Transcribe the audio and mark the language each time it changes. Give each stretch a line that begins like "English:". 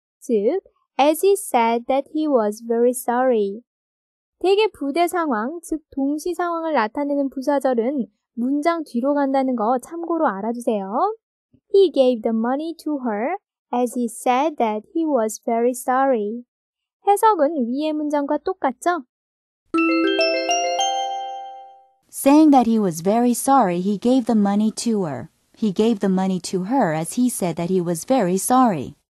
English: 즉, As he said that he was very sorry.
Korean: 대개 부대 상황, 즉 동시 상황을 나타내는 부사절은 문장 뒤로 간다는 거 참고로 알아주세요.
English: He gave the money to her as he said that he was very sorry.
Korean: 해석은 위의 문장과 똑같죠?
English: Saying that he was very sorry, he gave the money to her. He gave the money to her as he said that he was very sorry.